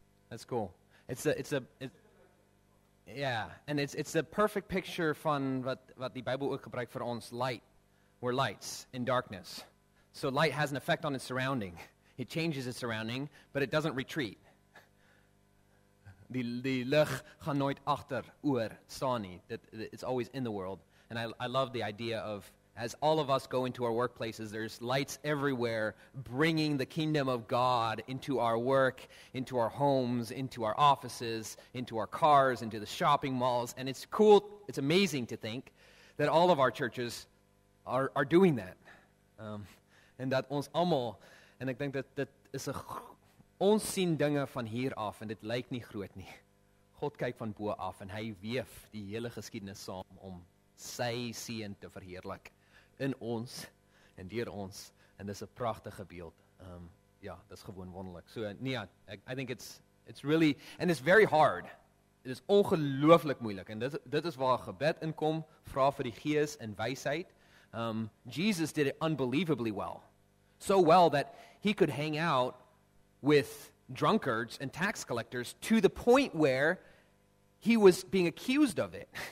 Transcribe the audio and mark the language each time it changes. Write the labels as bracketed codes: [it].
[en] That's cool. It's the perfect picture [af] van wat die Bybel ook gebruik vir ons. [en] Light, we're lights in darkness. So light has an effect on its surrounding. It changes its surrounding, but it doesn't retreat. [af] Die lig gaan nooit achter oor staan nie. [en] It's always in the world. And I love the idea of, as all of us go into our workplaces, there's lights everywhere bringing the kingdom of God into our work, into our homes, into our offices, into our cars, into the shopping malls. And it's cool, it's amazing to think that all of our churches are doing that. And that [af] ons allemaal, [en] and I think that is a, [af] ons sien dinge van hier af, [en] and it [af] lyk nie groot nie. God kyk van bo af, en hy weef die hele geskiedenis saam om sy seën te verheerlik. In ons, en dier ons, en dis 'n prachtige beeld. Dis gewoon wonderlik. [en] So, I think it's really, and it's very hard. It is [af] ongelooflik moeilik, en dit is waar gebed in kom, vra vir die gees en wysheid. [en] Jesus did it unbelievably well. So well that he could hang out with drunkards and tax collectors to the point where he was being accused of it.